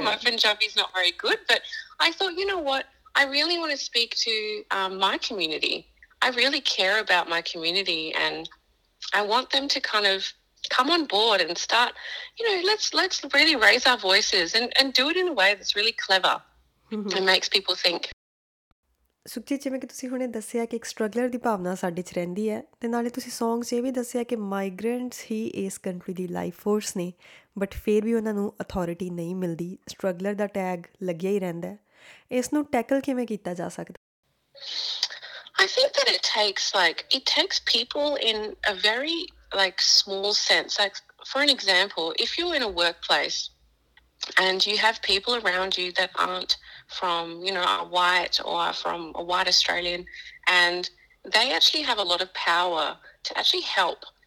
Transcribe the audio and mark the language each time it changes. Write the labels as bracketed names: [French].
[English] My Punjabi's not very good, but I thought, you know what, I really want to speak to my community. I really care about my community, and I want them to kind of come on board and start, you know, let's really raise our voices and do it in a way that's really clever. Mm-hmm. It makes people think. [Punjabi] ਸੁੱਚੀ ਜਿਵੇਂ ਕਿ ਤੁਸੀਂ ਹੁਣੇ ਦੱਸਿਆ ਕਿ ਇੱਕ struggler ਦੀ ਭਾਵਨਾ ਸਾਡੇ 'ਚ ਰਹਿੰਦੀ ਹੈ, ਅਤੇ ਨਾਲੇ ਤੁਸੀਂ ਸੌਂਗ 'ਚ ਇਹ ਵੀ ਦੱਸਿਆ ਕਿ ਮਾਈਗ੍ਰੈਂਟਸ ਹੀ ਇਸ ਕੰਟਰੀ ਦੀ ਲਾਈਫ ਫੋਰਸ ਨੇ, ਬਟ ਫਿਰ ਵੀ ਉਹਨਾਂ ਨੂੰ ਅਥੋਰਿਟੀ ਨਹੀਂ ਮਿਲਦੀ, ਸਟਰਗਲਰ ਦਾ ਟੈਗ ਲੱਗਿਆ ਹੀ ਰਹਿੰਦਾ, ਇਸ ਨੂੰ ਟੈਕਲ ਕਿਵੇਂ ਕੀਤਾ ਜਾ ਸਕਦਾ? [English] I think that it takes people in a very small sense. Like, for an example, if you're in a workplace and you have people around you that aren't from, are white or are from a white Australian, and they actually have a lot of power to actually help.